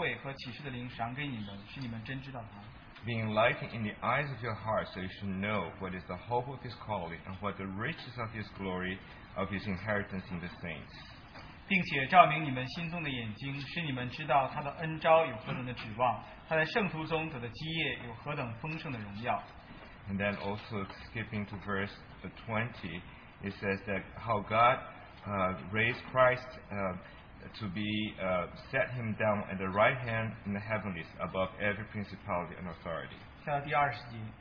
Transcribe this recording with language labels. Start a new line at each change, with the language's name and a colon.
Chinese: 求我们主耶稣基督的神荣耀父将他赐人智慧和启示的灵赏给你们，使你们真知道他。
English: Being enlightened in the eyes of your heart, so you should know what is the hope of His calling and what the riches of His glory, of His inheritance in the saints.
Chinese: 并且照明你们心中的眼睛，使你们知道他的恩召有何等的指望。他在圣徒中得的基业有何等丰盛的荣耀。
English: And then also skipping to verse 20, it says that how God raised Christ to be set him down at the right hand in the heavenlies above every principality and authority.